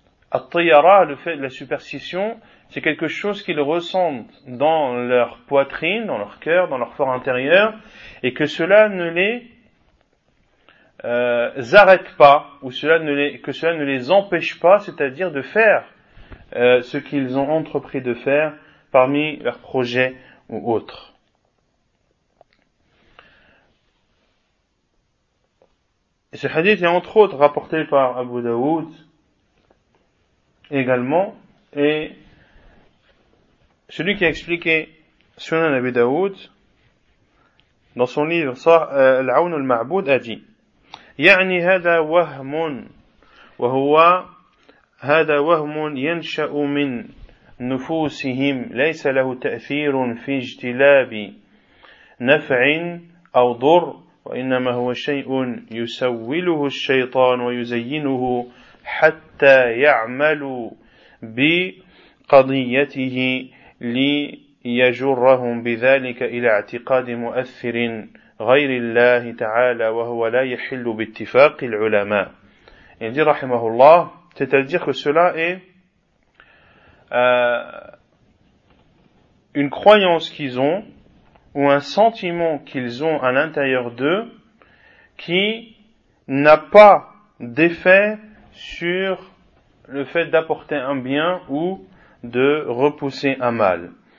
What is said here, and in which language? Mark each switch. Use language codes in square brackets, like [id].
[fr] At-tayara, le fait de la superstition, c'est quelque chose qu'ils ressentent dans leur poitrine, dans leur cœur, dans leur fort intérieur, et que cela ne les arrête pas, ou que cela ne les empêche pas, c'est-à-dire de faire ce qu'ils ont entrepris de faire parmi leurs projets ou autres. Et ce hadith est entre autres rapporté par Abu Daoud également, et celui qui a expliqué Sunan Abu Daoud dans son livre Al-Aoun al-Ma'boud a dit [ar] يعني هذا وهم وهو هذا وهم ينشأ من نفوسهم ليس له تأثير في اجتلاب نفع أو ضر وإنما هو شيء يسوله الشيطان ويزينه حتى يعمل بقضيته ليجرهم بذلك إلى اعتقاد مؤثر غير الله تعالى وهو لا يحل باتفاق العلماء. يعني رحمه الله تتذكر [fr] cela est une croyance qu'ils ont ou un sentiment qu'ils ont à l'intérieur d'eux qui n'a pas d'effet sur le fait d'apporter un bien ou de repousser un mal.